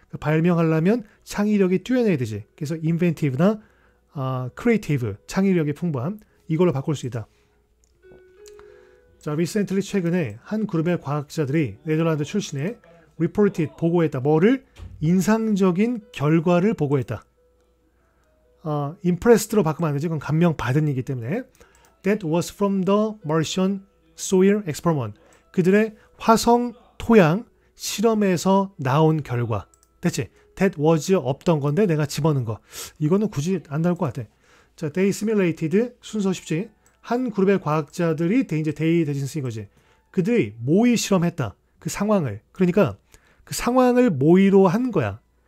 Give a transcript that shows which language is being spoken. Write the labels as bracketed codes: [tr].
[ko] 발명하려면 창의력이 뛰어나야 되지. 그래서 inventive나 creative, 창의력이 풍부한 이걸로 바꿀 수 있다. 자, recently 최근에 한 그룹의 과학자들이 네덜란드 출신에 reported 보고했다. 뭐를? 인상적인 결과를 보고했다. impressed로 바꾸면 안 되지. 그건 감명 받은 이기 때문에. [en] That was from the Martian soil experiment. [ko] 그들의 화성 토양 실험에서 나온 결과. 됐지? [en] That was [ko] 없던 건데 내가 집어넣은 거. 이거는 굳이 안 나올 것 같아. 자, [en] they simulated [ko] 순서 쉽지? 한 그룹의 과학자들이 이제 they 대신 쓰인 거지. 그들이 모의 실험했다. 그 상황을. 그러니까 그 상황을 모의로 한 거야.